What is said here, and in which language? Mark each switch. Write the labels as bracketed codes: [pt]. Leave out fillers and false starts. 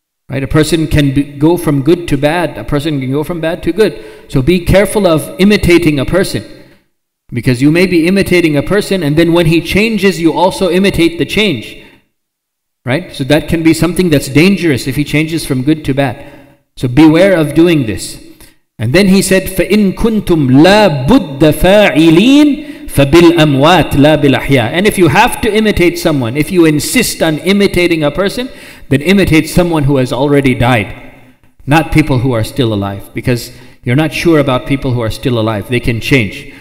[en] Right? A person can go from good to bad. A person can go from bad to good. So be careful of imitating a person. Because you may be imitating a person and then when he changes, you also imitate the change. Right? So that can be something that's dangerous if he changes from good to bad. So beware of doing this. And then he said, [ar] فَإِن كُنْتُمْ لَا بُدَّ فَاعِلِينَ فَبِالْأَمْوَاتِ لَا بِالْأَحْيَىٰ. [en] And if you have to imitate someone, if you insist on imitating a person, then imitate someone who has already died, not people who are still alive. Because you're not sure about people who are still alive. They can change.